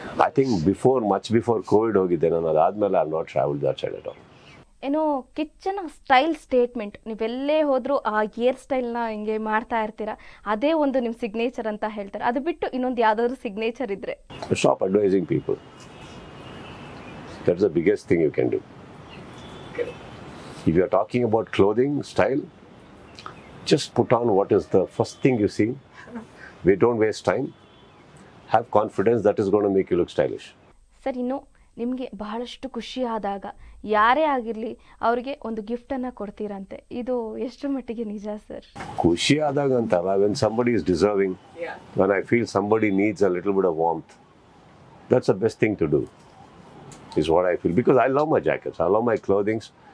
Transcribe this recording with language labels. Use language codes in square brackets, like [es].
[en] I think before, much before Covid [kn] ಹೋಗಿದ್ದೆ ನಾನು, ಅದಾದಮೇಲೆ [en] I not travel that side at all. [kn] ಏನೋ ಕಿಚ್ಚನ style statement, ನೀವೆಲ್ಲೇ ಹೋದರೂ ಆ ಹೇರ್ ಸ್ಟೈಲ್ನ ಹಿಂಗೆ ಮಾಡ್ತಾ ಇರ್ತೀರ, ಅದೇ ಒಂದು ನಿಮ್ಮ ಸಿಗ್ನೇಚರ್ ಅಂತ ಹೇಳ್ತಾರೆ. ಅದು ಬಿಟ್ಟು ಇನ್ನೊಂದು ಯಾವುದಾದ್ರೂ ಸಿಗ್ನೇಚರ್ ಇದ್ರೆ? [en] Shop advising people, that's the biggest thing you can do. If you are talking about clothing style, just put on what is the first thing you see. We don't waste time. Have confidence, that is going to make you look stylish. [kn] Sir, ಇನ್ನು ನಿಮಗೆ ಬಹಳಷ್ಟು ಖುಷಿಯಾದಾಗ ಯಾರೇ ಆಗಿರಲಿ ಅವರಿಗೆ ಒಂದು ಗಿಫ್ಟನ್ನು ಕೊಡ್ತೀರಂತೆ, ಇದು ಎಷ್ಟು ಮಟ್ಟಿಗೆ ನಿಜ ಸರ್? ಖುಷಿಯಾದಾಗ ಅಂತಲ್ಲ, [en] When somebody is deserving, when I feel somebody needs a little bit of warmth, that's a best thing to do, is what I feel, because I love my jackets, I love my clothings.